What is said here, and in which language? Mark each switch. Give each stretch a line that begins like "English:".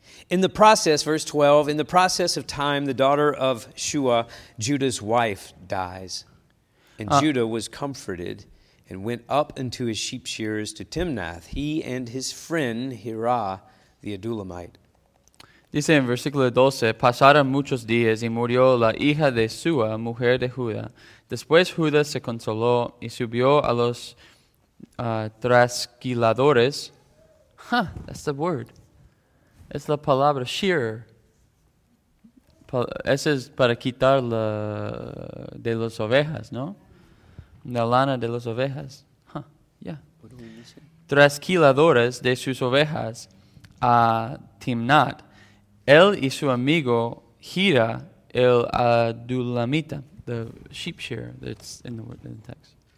English: In the process, verse 12, in the process of time, the daughter of Shua, Judah's wife, dies. And Judah was comforted and went up into his sheep shears to Timnath, he and his friend Hira, the Adullamite.
Spanish: Dice en versículo 12, pasaron muchos días y murió la hija de Sua, mujer de Judá. Después Judá se consoló y subió a los trasquiladores.
English: Huh, that's the word.
Spanish: Es la palabra shear. Ese es para quitar la de las ovejas, ¿no? La lana de las ovejas. Huh. Yeah. Trasquiladores de sus ovejas a Timnat. Él y su amigo Hira el Adulamita.
English: The sheep shearer that's in the text.